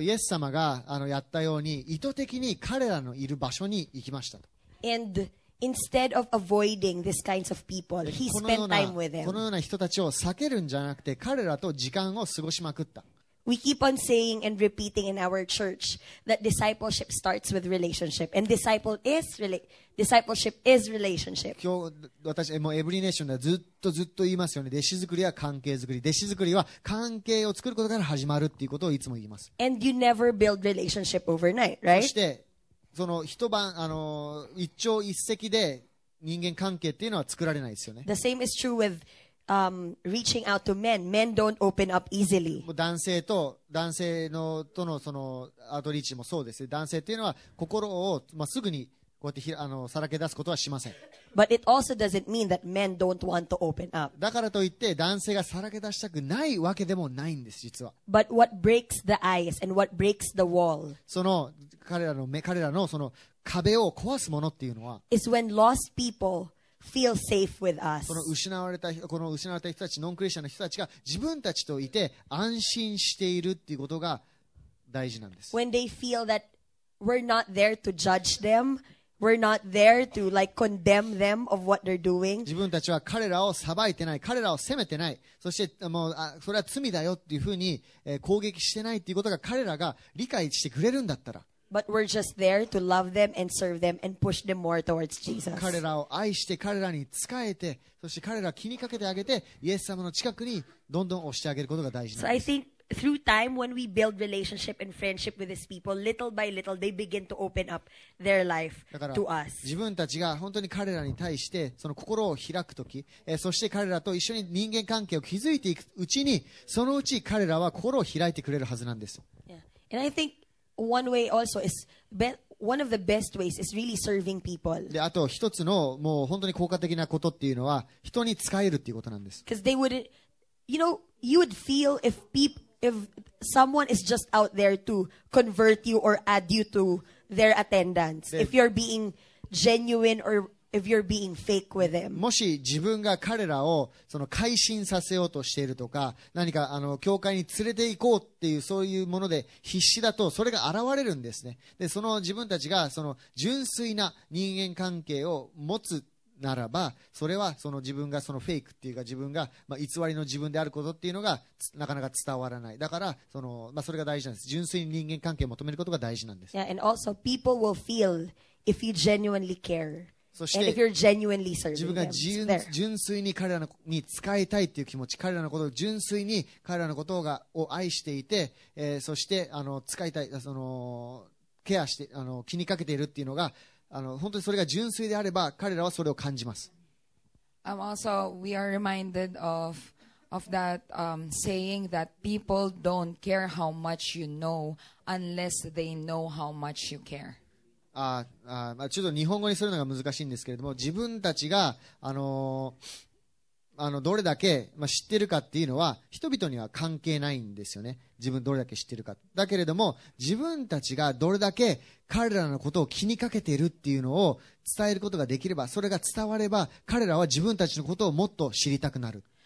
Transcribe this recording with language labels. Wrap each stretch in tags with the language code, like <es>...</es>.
<ja>イエス様がやったように意図的に彼らのいる場所に行きましたと。</ja> <en>AndInstead of avoiding these kinds of people, he spent time with them.</en> <ja>このような人たちを避けるんじゃなくて、彼らと時間を過ごしまくった。</ja> <en>We keep on saying and repeating in our church that discipleship starts with relationship, and discipleship is relationship.</en> <ja>今日私もうエブリネーションではずっと言いますよね。弟子作りは関係作り、弟子作りは関係を作ることから始まるっていうことをいつも言います。</ja> <en>And you never build relationship overnight, right?</en> <ja>そしてその一晩一朝一夕で人間関係っていうのは作られないですよね。</ja> <en>The same is true with reaching out to men. Men don't open up easily.</en> <ja>男性とのそのアドリーチもそうです。男性っていうのは心を、まあ、すぐにこうやってさらけ出すことはしません。</ja> <en>But it also doesn't mean that men don't want to open up.</en> <ja>だからといって男性がさらけ出したくないわけでもないんです、実は。</ja> <en>But what breaks the ice and what breaks the wall?</en> <ja>その彼らのその壁を壊すものっていうのは、</ja> <en>is when lost people feel safe with us.</en> <ja>この失われた人たち、ノンクリスチャンの人たちが自分たちといて安心しているっていうことが大事なんです。</ja> <en>When they feel that we're not there to judge them. We're not there to like condemn them of what they're doing.</en> <ja>自分たちは彼らを裁いてない、彼らを責めてない。そしてもうそれは罪だよっていうふうに、攻撃してないっていうことが彼らが理解してくれるんだったら。</ja> <en>But we're just there to love them and serve them and push them more towards Jesus.</en> <ja>彼らを愛して彼らに仕えて、そして彼らを気にかけてあげて、イエス様の近くにどんどん押してあげることが大事なんです。</ja> <en>So I think through time when we build relationship and friendship with these people, little by little they begin to open up their life to us.</en> <ja>自分たちが本当に彼らに対してその心を開くとき、そして彼らと一緒に人間関係を築いていくうちに、そのうち彼らは心を開いてくれるはずなんです。 Yeah.</ja> <en>And I think one way also is one of the best ways is really serving people.</en> <ja>で、あと一つのもう本当に効果的なことっていうのは人に使えるっていうことなんです。</ja> <en>Because they would, you know, you would feel if someone is just out there to convert you or add you to their attendance, if you're being genuine or if you're being fake with them.</en> <ja>もし自分が彼らをその改心させようとしているとか、何か教会に連れて行こうっていうそういうもので必死だと、それが現れるんですね。で、その自分たちがその純粋な人間関係を持つならば、それはその自分がそのフェイクっていうか、自分が、まあ、偽りの自分であることっていうのがなかなか伝わらない。だからその、まあ、それが大事なんです。純粋に人間関係を求めることが大事なんです。</ja> <en>Yeah, and also people will feel if you genuinely care and if you're genuinely serving them.</en> <ja>自分が純粋に彼らに使いたいっていう気持ち、彼らのことを純粋に彼らのことを愛していて、そして使いたい、そのケアして気にかけているっていうのが、本当にそれが純粋であれば、彼らはそれを感じます。</ja> <en>Also, we are reminded of that saying that people don't care how much you know unless they know how much you care.</en> <ja>ちょっと日本語にするのが難しいんですけれども、自分たちが、どれだけ、知ってるかっていうのは人々には関係ないんですよね。自分どれだけ知ってるか。だけれども自分たちがどれだけ彼らのことを気にかけているっていうのを伝えることができれば、それが伝われば彼らは自分たちのことをもっと知りたくなる。</ja>